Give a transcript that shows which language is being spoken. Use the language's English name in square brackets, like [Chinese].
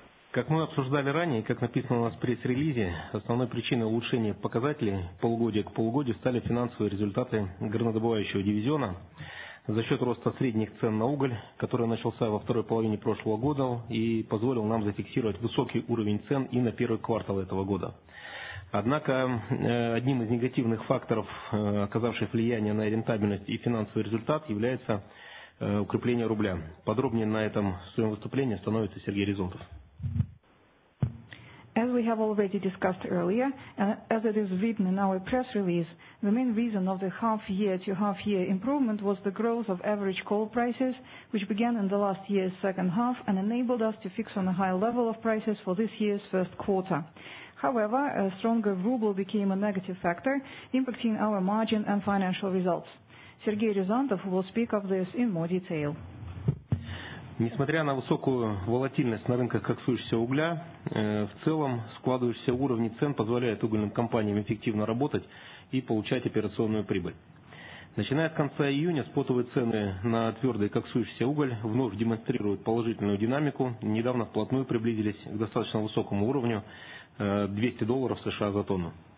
[Russian] Как мы обсуждали ранее, как написано у нас в пресс-релизе, основной причиной улучшения показателей полугодия к полугодию стали финансовые результаты горнодобывающего дивизиона за счет роста средних цен на уголь, который начался во второй половине прошлого года и позволил нам зафиксировать высокий уровень цен и на первый квартал этого года. Однако одним из негативных факторов, оказавших влияние на рентабельность и финансовый результат, является укрепление рубля. Подробнее на этом в своем выступлении остановится Сергей Резонтов. [English] As we have already discussed earlier, as it is written in our press release, the main reason of the half-year-to-half-year improvement was the growth of average coal prices, which began in the last year's second half and enabled us to fix on a high level of prices for this year's first quarter. However, a stronger ruble became a negative factor, impacting our margin and financial results. Sergey Rezontov will speak of this in more detail. [Russian] Несмотря на высокую волатильность на рынках коксующегося угля, в целом складывающиеся уровни цен позволяют угольным компаниям эффективно работать и получать операционную прибыль. Начиная с конца июня, спотовые цены на твердый коксующийся уголь вновь демонстрируют положительную динамику, недавно вплотную приблизились к достаточно высокому уровню $200 США за тонну.